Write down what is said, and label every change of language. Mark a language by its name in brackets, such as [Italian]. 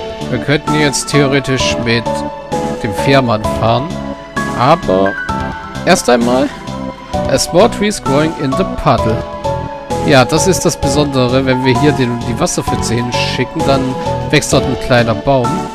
[German] Wir könnten jetzt theoretisch mit dem Fährmann fahren. Aber erst einmal. [English] A small tree is growing in the puddle. [German] Ja, das ist das Besondere. Wenn wir hier die Wasserpfütze hinschicken, dann wächst dort ein kleiner Baum.